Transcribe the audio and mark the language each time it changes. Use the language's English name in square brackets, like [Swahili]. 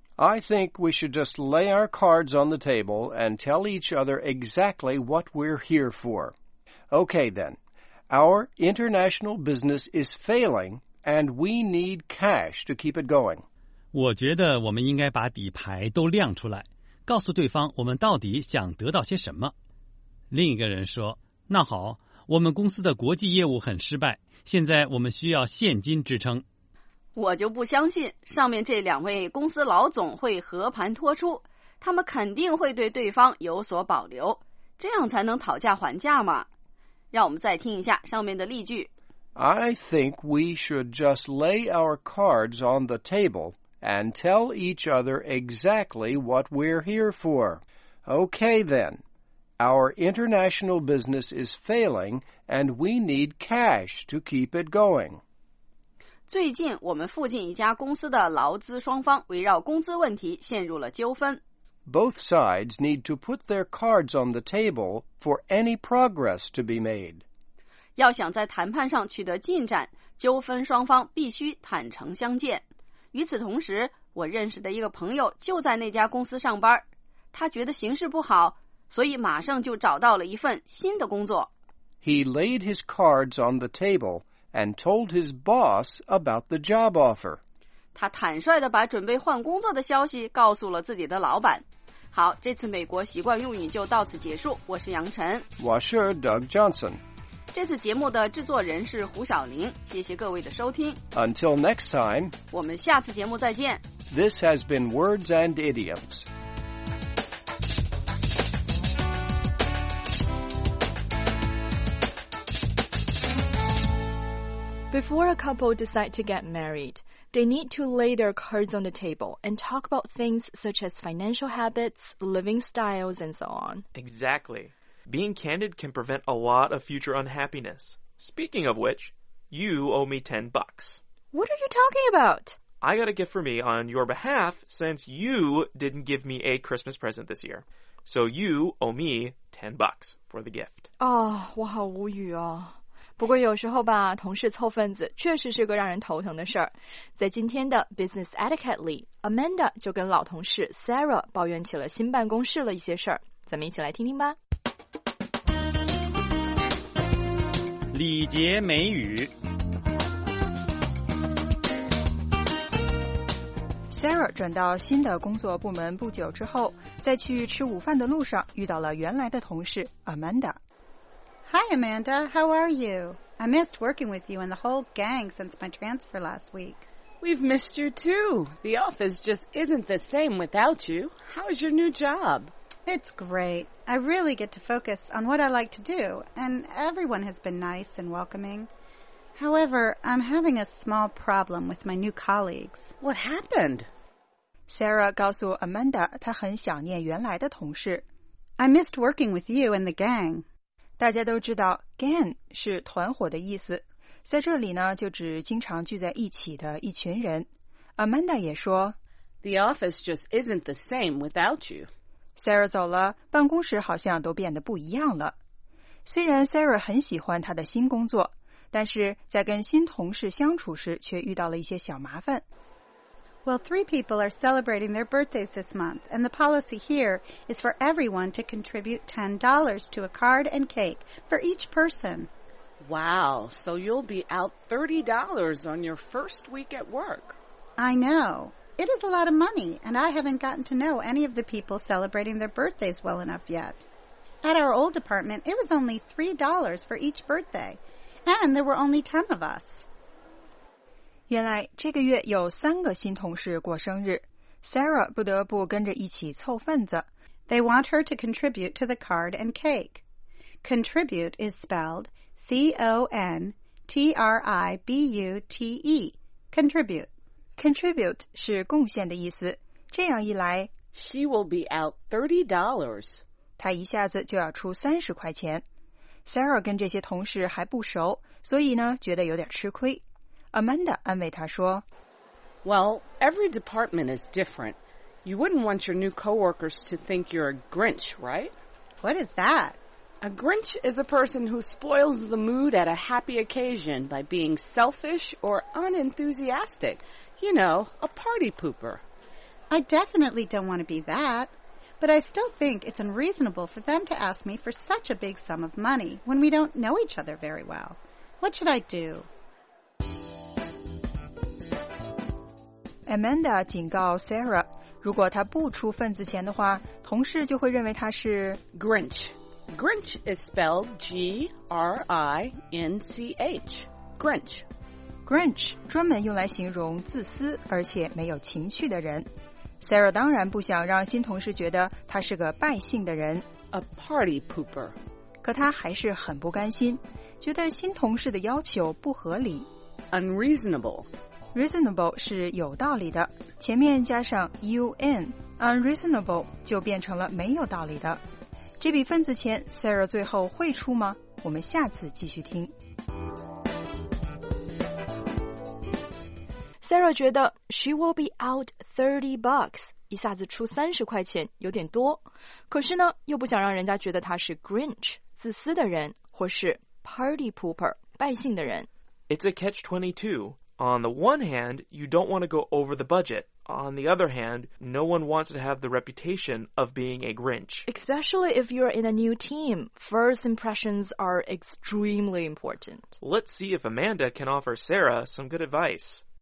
[English] I think we should just lay our cards on the table and tell each other exactly what we're here for. Okay then, our international business is failing and we need cash to keep it going. [Chinese] 我觉得我们应该把底牌都亮出来，告诉对方我们到底想得到些什么。另一个人说，那好，我们公司的国际业务很失败，现在我们需要现金支撑。我就不相信上面这两位公司老总会和盘托出，他们肯定会对对方有所保留，这样才能讨价还价嘛。让我们再听一下上面的例句。 [English] I think we should just lay our cards on the table and tell each other exactly what we're here for. Okay then, our international business is failing and we need cash to keep it going. [Chinese] 最近我们附近一家公司的劳资双方围绕工资问题陷入了纠纷。 [English] Both sides need to put their cards on the table for any progress to be made. [Chinese] 要想在谈判上取得进展，纠纷双方必须坦诚相见。与此同时，我认识的一个朋友就在那家公司上班，他觉得形势不好，所以马上就找到了一份新的工作。 [English] He laid his cards on the table. And told his boss about the job offer. [Chinese] 他坦率地把准备换工作的消息告诉了自己的老板。好，这次美国习惯用语就到此结束。我是杨晨。我是 Doug Johnson。这次节目的制作人是胡晓玲。谢谢各位的收听。 [English] Until next time. [Chinese] 我们下次节目再见。 [English] This has been Words and Idioms. Before a couple decide to get married, they need to lay their cards on the table and talk about things such as financial habits, living styles, and so on. Exactly. Being candid can prevent a lot of future unhappiness. Speaking of which, you owe me $10. What are you talking about? I got a gift for me on your behalf since you didn't give me a Christmas present this year. So you owe me $10 for the gift. [Chinese] Oh, 我好无语啊。不过有时候吧，同事凑份子确实是个让人头疼的事儿。在今天的 Business Etiquette 里， Amanda 就跟老同事 Sarah 抱怨起了新办公室的一些事儿。咱们一起来听听吧。礼节美语。 Sarah 转到新的工作部门不久之后，在去吃午饭的路上遇到了原来的同事 Amanda [English] Hi, Amanda. How are you? I missed working with you and the whole gang since my transfer last week. We've missed you, too. The office just isn't the same without you. How's your new job? It's great. I really get to focus on what I like to do, and everyone has been nice and welcoming. However, I'm having a small problem with my new colleagues. What happened? [Chinese] Sarah 告诉 Amanda 她很想念原来的同事。 [English] I missed working with you and the gang. [Chinese] 大家都知道 gang 是团伙的意思，在这里呢就指经常聚在一起的一群人。 Amanda 也说 [English] The office just isn't the same without you. [Chinese] Sarah 走了，办公室好像都变得不一样了。虽然 Sarah 很喜欢她的新工作，但是在跟新同事相处时却遇到了一些小麻烦。 [English] Well, three people are celebrating their birthdays this month, and the policy here is for everyone to contribute $10 to a card and cake for each person. Wow, so you'll be out $30 on your first week at work. I know. It is a lot of money, and I haven't gotten to know any of the people celebrating their birthdays well enough yet. At our old department, it was only $3 for each birthday, and there were only 10 of us. [Chinese] 原来这个月有三个新同事过生日， Sarah 不得不跟着一起凑份子。 [English] They want her to contribute to the card and cake. Contribute is spelled C-O-N-T-R-I-B-U-T-E. Contribute. [Chinese] Contribute 是贡献的意思。这样一来， [English] She will be out $30. [Chinese] 她一下子就要出30块钱。 Sarah 跟这些同事还不熟，所以呢，觉得有点吃亏。 Amanda 安慰她说 [English] Well, every department is different. You wouldn't want your new coworkers to think you're a Grinch, right? What is that? A Grinch is a person who spoils the mood at a happy occasion by being selfish or unenthusiastic. You know, a party pooper. I definitely don't want to be that. But I still think it's unreasonable for them to ask me for such a big sum of money when we don't know each other very well. What should I do? [Chinese] Amanda 警告 Sarah， 如果她不出份子钱的话，同事就会认为她是 [English] Grinch。 Grinch is spelled G-R-I-N-C-H. Grinch. [Chinese] Grinch 专门用来形容自私而且没有情趣的人。 Sarah 当然不想让新同事觉得她是个败兴的人。 A party pooper. 可她还是很不甘心，觉得新同事的要求不合理。 [English] Unreasonable. [Chinese] Reasonable 是有道理的，前面加上 un， unreasonable 就变成了没有道理的。这笔份子钱 Sarah 最后会出吗？我们下次继续听。 Sarah 觉得 [English] she will be out 30 bucks， [Chinese] 一下子出30块钱有点多，可是呢又不想让人家觉得她是 Grinch 自私的人，或是 [English] party pooper [Chinese] 败兴的人。 [English] It's a catch 22. On the one hand, you don't want to go over the budget. On the other hand, no one wants to have the reputation of being a Grinch. Especially if you're in a new team, first impressions are extremely important. Let's see if Amanda can offer Sarah some good advice.